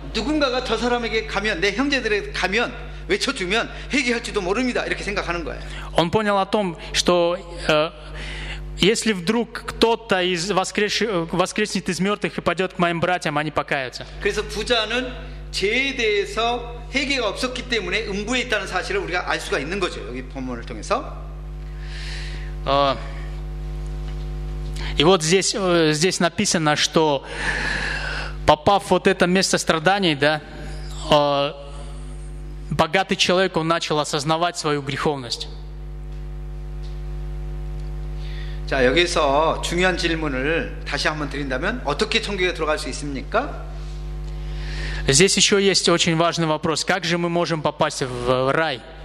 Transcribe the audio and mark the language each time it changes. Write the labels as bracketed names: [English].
[Korean] 누군가가 저 사람에게 가면, 내 형제들에게 가면, 외쳐주면 회개할지도 모릅니다. 이렇게 생각하는 거예요. [Russian] Он понял о том, что... Если вдруг кто-то из воскреснет из мертвых и пойдет к моим братьям, они покаются. [Korean] 그래서 부자는 죄에 대해서 회개가 없었기 때문에 음부에 있다는 사실을 우리가 알 수가 있는 거죠. 여기 본문을 통해서. [Russian] И вот здесь написано, что попав вот это место страданий, да, богатый человек он начал осознавать свою греховность. [Korean] 자, 여기서 중요한 질문을 다시 한번 드린다면 어떻게 천국에 들어갈 수 있습니까? [Russian] Здесь еще есть очень важный вопрос. Как же мы можем попасть в рай?